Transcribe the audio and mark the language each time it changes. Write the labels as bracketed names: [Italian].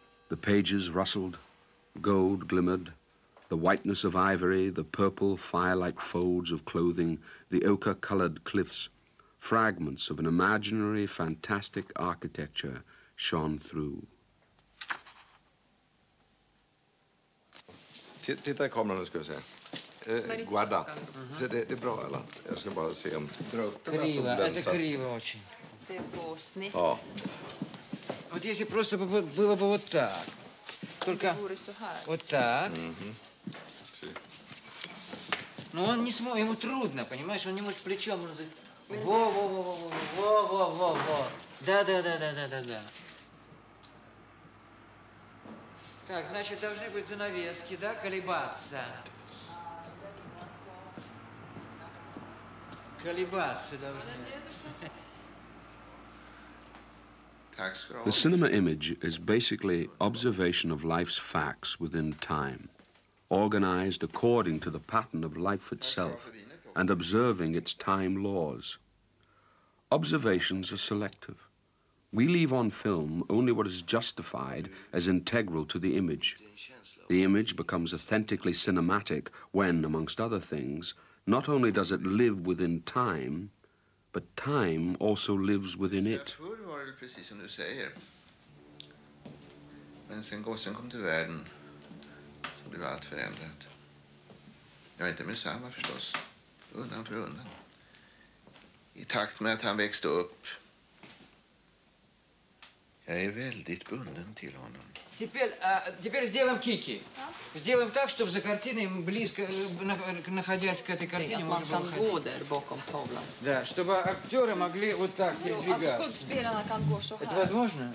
[English] The pages rustled, gold glimmered, the whiteness of ivory, the purple fire-like folds of clothing, the ochre-colored cliffs, fragments of an imaginary, fantastic architecture shone through. [Swedish] Titta i kameran, ska jag säga. Guarda. Så det är bra, eller? Jag ska bara se om... Kriva, det är kriva också. Det är på snitt. Ja. [Russian] Вот если просто было бы вот так. Только вот так. Но он не смог, ему трудно, понимаешь? Он не может плечом... Во-во-во-во-во-во-во-во-во. Да-да-да-да-да-да-да. Так, значит, должны быть занавески, да, колебаться. [English] The cinema image is basically observation of life's facts within time, organized according to the pattern of life itself and observing its time laws. Observations are selective. We leave on film only what is justified as integral to the image. The image becomes authentically cinematic when, amongst other things, not only does it live within time, but time also lives within it. [Swedish] Förr var det precis som du säger. Men sen gossen kom till världen så blev allt förändrat. Jag är inte med samma förstås, undan för undan. I takt med att han växte upp. Jag är väldigt bunden till honom. [Russian] Теперь сделаем кики. Сделаем так, чтобы за картиной близко, находясь к этой картине, можно было ходить. Да, чтобы актеры могли вот так передвигаться. Это возможно?